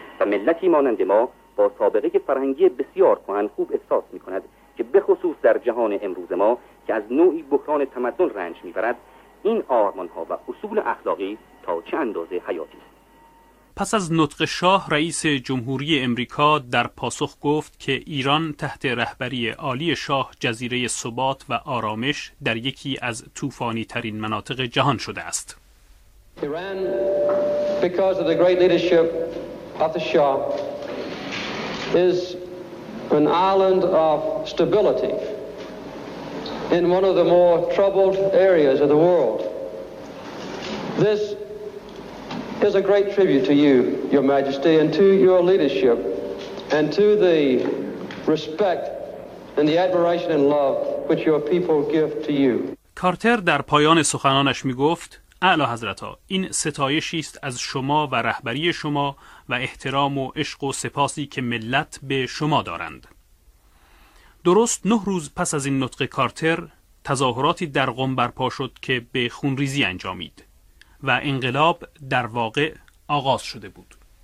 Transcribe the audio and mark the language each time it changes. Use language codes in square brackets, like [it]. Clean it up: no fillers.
[fa] ملتی مانند ما با سابقه فرهنگی بسیار کهن خوب احساس می کند که به خصوص در جهان امروز ما که از نوعی بحران تمدن رنج می برد، این آرمان ها و اصول اخلاقی تا چه اندازه حیاتی است. پس از نطق شاه، رئیس جمهوری امریکا در پاسخ گفت که ایران تحت رهبری عالی شاه جزیره ثبات و آرامش در یکی از طوفانی ترین مناطق جهان شده است. [en] ایران، because of the great leadership of the Shah, is an island of stability in one of the more troubled areas of the world. This is a great tribute to you, Your Majesty, and to your leadership, and to the respect and the admiration and love which your people give to you. [fa] کارتر در پایان سخنانش می گفت: اعلی حضرتا، این ستایشی است از شما و رهبری شما و احترام و عشق و سپاسی که ملت به شما دارند. درست 9 روز پس از این نطق کارتر، تظاهراتی در قم برپا شد که به خونریزی انجامید و انقلاب در واقع آغاز شده بود.